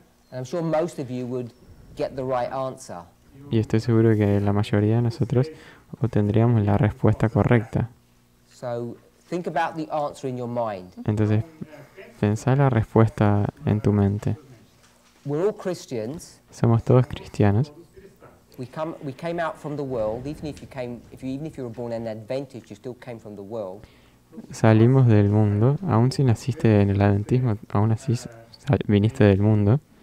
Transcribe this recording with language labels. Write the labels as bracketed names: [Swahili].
[English] And I'm sure most of you would get the right answer. [Spanish] Y estoy seguro que la mayoría de nosotros obtendríamos la respuesta correcta. [English] So, think about the answer in your mind. [Spanish] Entonces, pensá la respuesta en tu mente. [English] We're all Christians. [Spanish] Somos todos cristianos. [English] We came out from the world. Even if you were born in Adventist, you still came from the world. [Spanish] Salimos del mundo, aun si naciste en el adventismo, aun así viniste del mundo.